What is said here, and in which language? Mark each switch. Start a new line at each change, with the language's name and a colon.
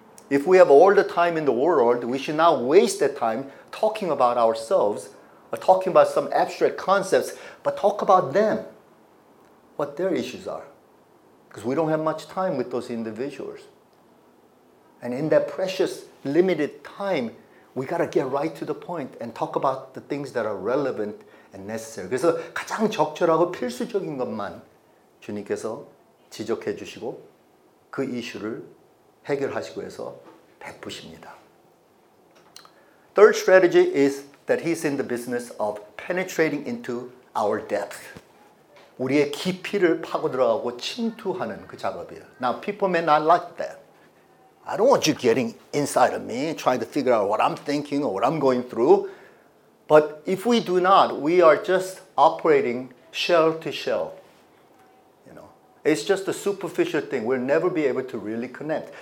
English: If we have all the time in the world, we should not waste that time talking about ourselves or talking about some abstract concepts, but talk about them, what their issues are. Because we don't have much time with those individuals. And in that precious limited time, we got to get right to the point and talk about the things that are relevant and necessary.
Korean: 그래서 가장 적절하고 필수적인 것만 주님께서 지적해 주시고 그 이슈를 해결하시고 해서 베푸십니다.
English: Third strategy is that he's in the business of penetrating into our depth.
Korean: 우리의 깊이를 파고들어가고 침투하는 그 작업이에요.
English: Now people may not like that. I don't want you getting inside of me, trying to figure out what I'm thinking or what I'm going through. But if we do not, we are just operating shell to shell. You know, it's just a superficial thing. We'll never be able to really connect.